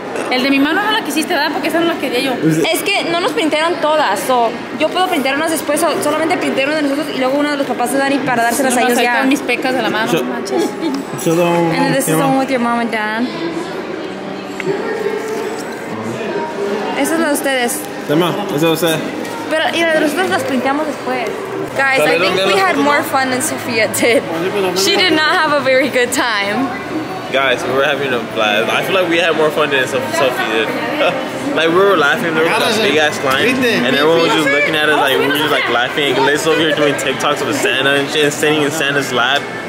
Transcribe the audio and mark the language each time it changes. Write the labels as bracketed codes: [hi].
[es] El de mi mano no la quisiste, ¿verdad? Porque esa no la quería yo. Es que no nos pintaron todas. So yo puedo pintar unas después. So solamente pinté una de nosotros y luego una de los papás de Dani para dárselas a ellos ya. Mis pecas de la mano. [he] Shalom. [en] And this is the one with your mom and dad. [es] Esa es la de ustedes. Tema, esa es usted. Pero y la de nosotros las pintamos después. [en] Guys, I think we had more fun than Sophia did. She did not have a very good time. Guys, we were having a blast. I feel like we had more fun than Sophie did. Like, we were laughing, there was like a big ass line, and everyone was just looking at us like, we were just like laughing. Liz over here doing TikToks with Santa and standing in Santa's lap.